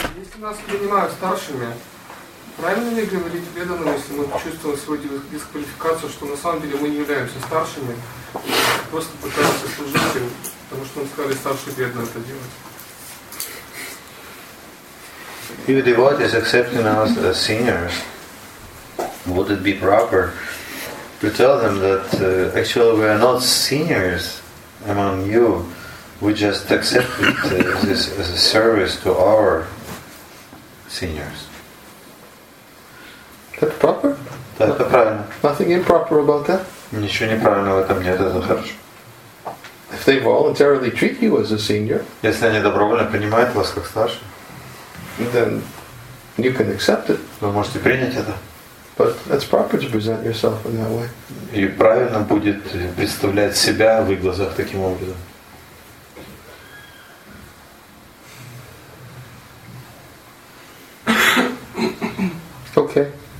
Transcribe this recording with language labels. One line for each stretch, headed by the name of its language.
Russian: Если нас принимают старшими, правильно ли говорить преданным, если мы чувствуем свою дисквалификацию, что на самом деле мы не являемся старшими, просто пытаемся служить им, потому что нам сказали старшие преданные это делать?
English: If devotees accepting us as seniors, would it be proper to tell them that actually we are not seniors among you, we just accepted this as a service to our seniors? That's proper?
Russian: Да, это правильно.
English: Nothing improper about that?
Russian: Ничего неправильного в этом нет, это хорошо.
English: If they voluntarily treat you as a senior?
Russian: Если они добровольно принимают вас как старшего?
English: Then you can accept it.
Russian: Вы можете принять это.
English: But it's proper to present yourself in that way.
Russian: И правильно будет представлять себя в их глазах таким образом.
English: Okay.